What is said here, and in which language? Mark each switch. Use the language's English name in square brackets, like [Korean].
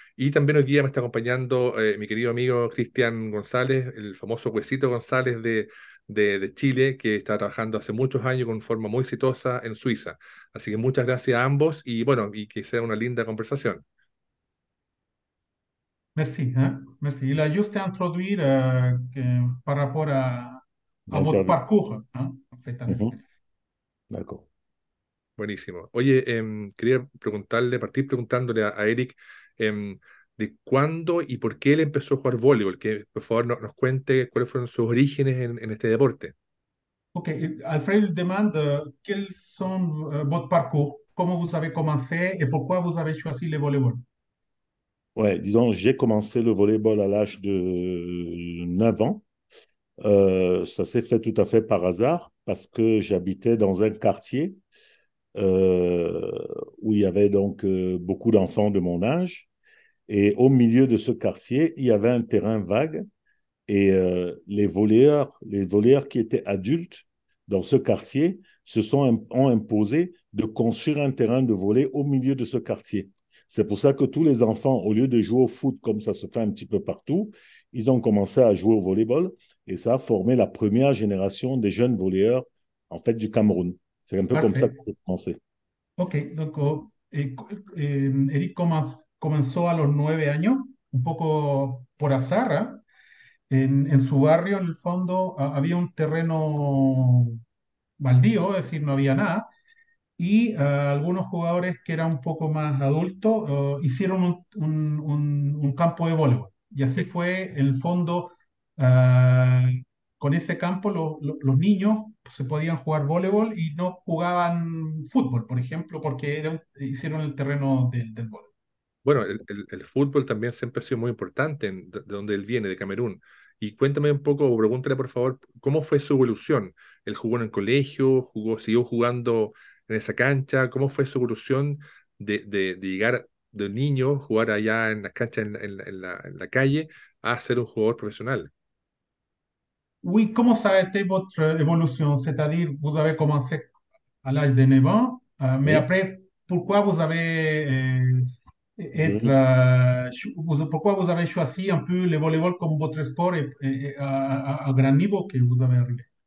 [Spanish] Y también hoy día me está acompañando mi querido amigo Cristian González, el famoso Huesito González de Chile, que está trabajando hace muchos años con forma muy exitosa en Suiza. Así que muchas gracias a ambos y bueno, y que sea una linda conversación. [French] Merci, merci. Il a juste introduit par rapport à votre D'accord. parcours, en fait. D'accord. [Spanish] Buenísimo. Oye, quería preguntarle, partir preguntándole a Eric de cuándo y por qué él empezó a jugar voleibol. Que por favor nos cuente cuáles fueron sus orígenes en este deporte. [French] Ok, Alfred demande quels sont votre parcours, comment vous avez commencé et pourquoi vous avez choisi le volleyball. Ouais, disons, j'ai commencé le volleyball à l'âge de 9 ans. Ça s'est fait tout à fait par hasard parce que j'habitais dans un quartier où il y avait donc beaucoup d'enfants de mon âge. Et au milieu de ce quartier, il y avait un terrain vague et les volleyeurs qui étaient adultes dans ce quartier ont imposé de construire un terrain de volley au milieu de ce quartier. C'est pour ça que tous les enfants, au lieu de jouer au foot comme ça se fait un petit peu partout, ils ont commencé à jouer au volleyball et ça a formé la première génération des jeunes volleyeurs en fait du Cameroun. C'est un peu comme ça que Parfait. j'ai commencé. [Spanish] Ok, donc Eric comenzó a los 9 años, un poco por azar, ¿eh? En su barrio, en el fondo, había un terreno baldío, es decir, no había nada, y algunos jugadores que eran un poco más adultos hicieron un campo de voleibol. Y así fue, en el fondo, con ese campo los niños se podían jugar voleibol y no jugaban fútbol, por ejemplo, porque hicieron el terreno del voleibol. Bueno, el fútbol también siempre ha sido muy importante de donde él viene, de Camerún. Y cuéntame un poco, o pregúntale por favor, ¿cómo fue su evolución? ¿Él jugó en el colegio? ¿Siguió jugando en esa cancha? ¿Cómo fue su evolución de llegar de niño, jugar allá en la cancha, en la calle, a ser un jugador profesional? [French] Oui, comment ça a été votre évolution? C'est-à-dire, vous avez commencé à l'âge de 9 ans, mais après, pourquoi vous avez Oui. pourquoi vous avez choisi un peu le volleyball comme votre sport et à grand niveau que vous avez arrivé?